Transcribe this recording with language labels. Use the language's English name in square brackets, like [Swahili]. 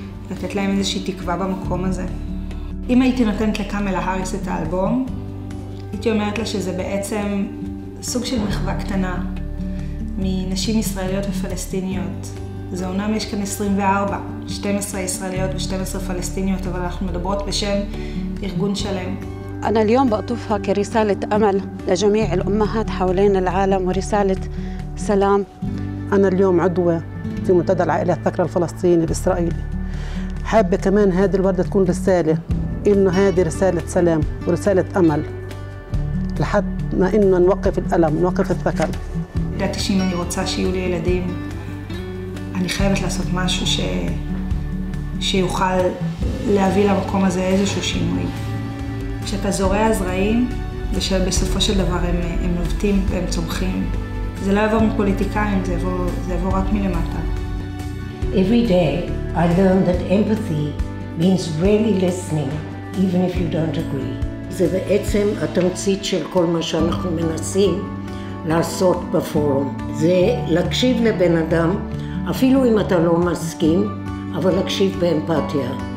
[Hebrew] לתת להם איזושהי תקווה במקום הזה. אם הייתי נותנת לקמלה האריס את האלבום, הייתי אומרת לה שזה בעצם סוג של מחווה קטנה. מנשים ישראליות ופלסטיניות. זה אומנם יש כאן 24, 12 ישראליות ו-12 פלסטיניות, אבל אנחנו מדברות בשם ארגון שלם. [Arabic] أنا اليوم بقطفها كرسالة أمل لجميع الأمهات حولين العالم ورسالة سلام. أنا اليوم عضوة في منتدى العائلة الثكرة الفلسطيني الإسرائيلي. حابة كمان هذه الوردة تكون رسالة إنه هذه رسالة سلام ورسالة أمل لحد ما إنه نوقف الألم، نوقف الثكل. [Hebrew] ידעתי שאם אני רוצה שיהיו לי ילדים, אני חייבת לעשות משהו שיוכל להביא למקום הזה איזשהו שינוי. כשאתה זורע זרעים, ושבסופו של דבר הם נובטים והם צומחים, זה לא יבוא מפוליטיקאים, זה יבוא רק מלמטה. [English] Every day I learn that empathy means really listening, even if you don't agree. [Hebrew] זה בעצם התמצית של כל מה שאנחנו מנסים לעשות בפורום. זה להקשיב לבן אדם, אפילו אם אתה לא מסכים, אבל להקשיב באמפתיה.